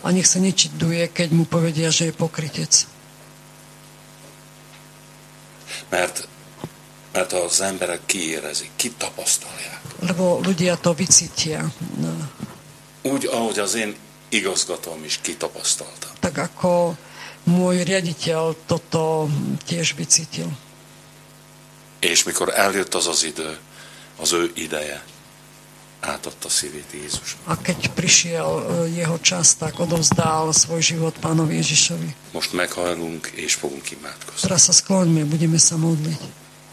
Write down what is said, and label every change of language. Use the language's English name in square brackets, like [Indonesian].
[Slovak] A nech sa nečuduje, keď mu povedia, že je pokrytec. [Hungarian] Mert az emberek kiérezik, kitapasztalják. [Slovak] Lebo ľudia to vycítia. No. [Hungarian] Úgy, ahogy az én igazgatom is kitapasztalta. [Slovak] Tak ako môj riaditeľ toto tiež vycítil. [Hungarian] És mikor eljött az az idő, az ő ideje, átadta szívét Jézusnak. [Slovak] A keď prišiel jeho čas, tak odovzdal svoj život Pánovi Ježišovi. [Hungarian] Most meghajlunk és fogunk imádkozni. [Slovak] Teraz sa skloňme, budeme sa modliť.